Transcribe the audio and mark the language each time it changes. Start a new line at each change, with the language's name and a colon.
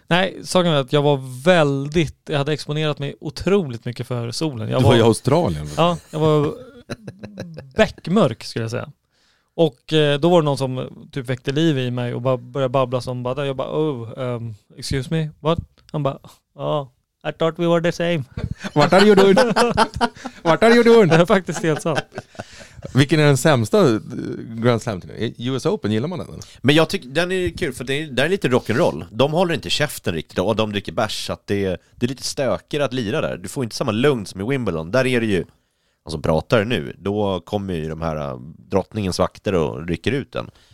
Swedish: Nej, saken är att jag var väldigt... Jag hade exponerat mig otroligt mycket för solen. Jag du var i Australien? Ja, jag var bäckmörk skulle jag säga. Och då var det någon som typ väckte liv i mig och bara började babbla som bara, jag bara,
English: excuse me, what?
Swedish: Han bara,
English: I thought we were the same. What are you doing?
Swedish: Det är faktiskt helt sant. Vilken är den sämsta Grand Slam? US Open, gillar man den? Men jag tycker den är kul för det är lite rock'n'roll. De håller inte käften riktigt och de dricker bärs, så att det är lite stökigare att lira där. Du får inte samma lugn som i Wimbledon. Där är det ju alltså pratar nu, då kommer ju de här drottningens vakter och rycker ut den.